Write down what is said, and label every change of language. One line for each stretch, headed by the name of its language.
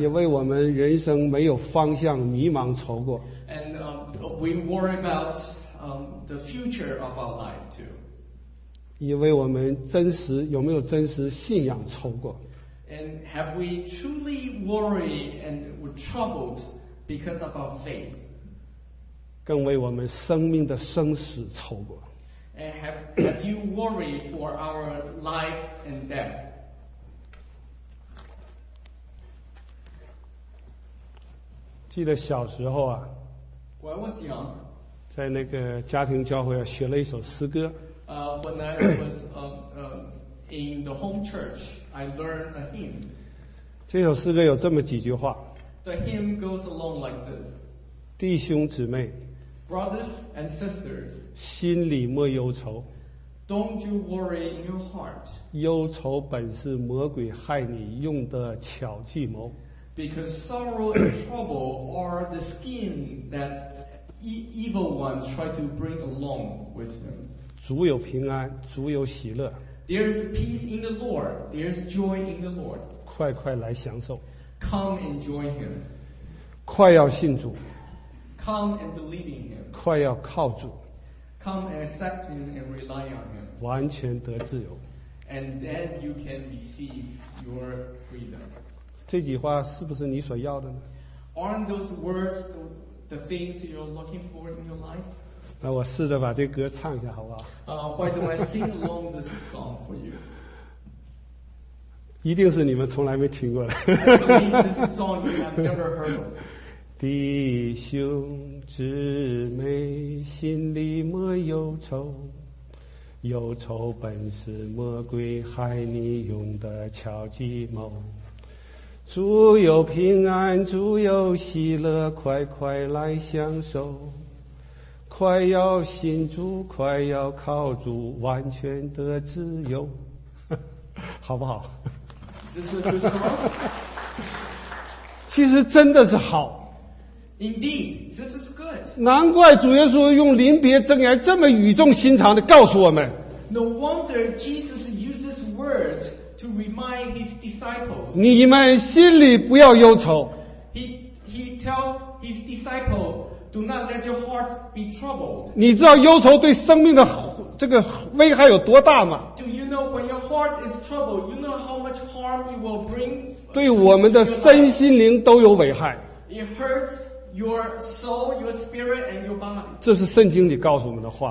Chinese: 也为我们人生没有方向迷茫愁过。
English: And we worry about the future of our life too.
Chinese: 也为我们真实有没有真实信仰愁过。
English: And have we truly worried and were troubled because of our faith?
Chinese: 更为我们生命的生死愁过。
English: And have you worried for our life and death?
Chinese: 记得小时候啊
English: When I was young,
Chinese: 在那个家庭教会学了一首诗歌
English: When I was in the home church, I learned a hymn.
Chinese: 这首诗歌有这么几句话
English: The hymn goes along like this.
Chinese: 弟兄姊妹
English: Brothers and sisters,
Chinese: 心里莫忧愁
English: Don't you worry in your heart.
Chinese: 忧愁本是魔鬼害你用的巧计谋
English: Because sorrow and trouble are the scheme that evil ones try to bring along with them.
Chinese: 主有平安，主有喜乐
English: There's peace in the Lord. There's joy in the Lord.
Chinese: 快快来享受
English: Come and join him.
Chinese: 快要信主
English: Come and believe in him.
Chinese: 快要靠主
English: Come and accept him and rely on him.
Chinese: 完全得自由。
English: And then you can receive your freedom.
Chinese: 这句话是不是你所要的呢？
English: Aren't those words the things you're looking for in your life?
Chinese: 那我试着把这歌唱一下好不好？
English: Why do I sing along this song for you?
Chinese: 一定是你们从来没听过的。
English: I believe this song you have never heard of.
Chinese: 弟兄姊妹，心里莫忧愁，忧愁本是魔鬼害你用的巧计谋。主有平安，主有喜乐，快快来享受。快要信主，快要靠主，完全的自由，好不好？这是其实真的是好。
English: Indeed, this is good.
Chinese: 难怪主耶稣用临别箴言这么语重心长地告诉我们。
English: No wonder Jesus uses words to remind his disciples.
Chinese: 你们心里不要忧愁。
English: He tells his disciples, "Do not let your hearts be troubled."
Chinese: 你知道忧愁对生命的这个危害有多大吗
English: ？Do you know when your heart is troubled? You know how much harm it will bring.
Chinese: 对我们的身心灵都有危害。
English: It hurts. Your soul, your spirit, and your body.
Chinese: 这是圣经里告诉我们的话。